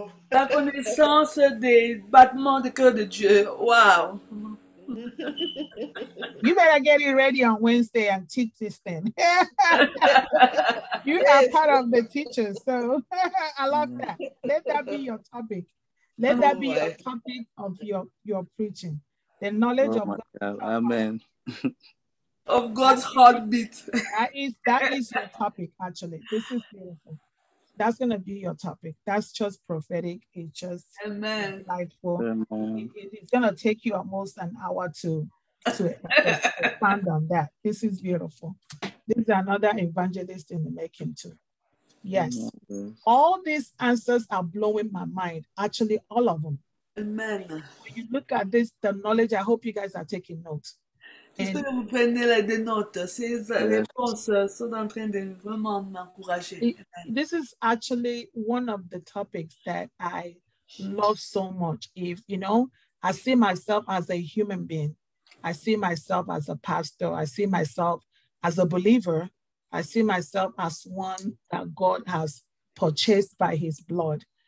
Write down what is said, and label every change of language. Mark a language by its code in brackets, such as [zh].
[fr] La connaissance des battements de cœur de Dieu. Wow. [en] You better get it ready on Wednesday and teach this thing. You are part of the teachers, so I love that. Let that be your topic. Let that be your topic of your preaching. The knowledge of God. Amen. Of God's heartbeat. That is your topic, actually. This is beautiful. That's going to be your topic. That's just prophetic. It's just Amen. Delightful. Amen. It's going to take you almost an hour to expand on that. This is beautiful. This is another evangelist in the making too. Yes. Amen. All these answers are blowing my mind. Actually, all of them. Amen. When you look at this, the knowledge, I hope you guys are taking notes. [fr] J'espère que vous prenez là, des notes. Ces réponses sont en train de vraiment m'encourager. [en] This is actually one of the topics that I love so much. If, you know, I see myself as a human being. I see myself as a pastor. I see myself as a believer. I see myself as one that God has purchased by his blood.